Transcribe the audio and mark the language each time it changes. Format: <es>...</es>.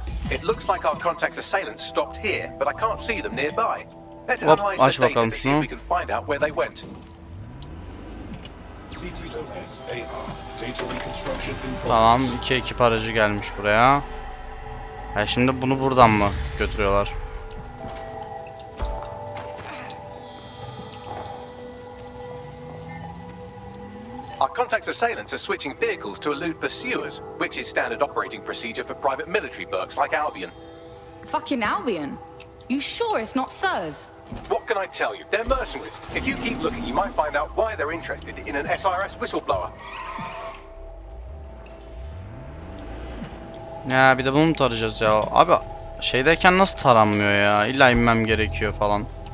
<en>It looks like our contact's assailants stopped here, but I can't see them nearby. Let's analyze the data to see if we can find out where they went.</en> <tr>Tamam, iki ekip aracı gelmiş buraya. Ha şimdi bunu buradan mı götürüyorlar?</tr> <en>Contact assailants are switching vehicles to elude pursuers, which is standard operating procedure for private military bucks like Albion. Fucking Albion? You sure it's not SIRS? What can I tell you? They're mercenaries. If you keep looking, you might find out why they're interested in an SIRS whistleblower.</en> <tr>Ya bir de bunu mu tarayacağız ya? Abi şeydeyken nasıl taranmıyor ya? İlla inmem gerekiyor falan.</tr>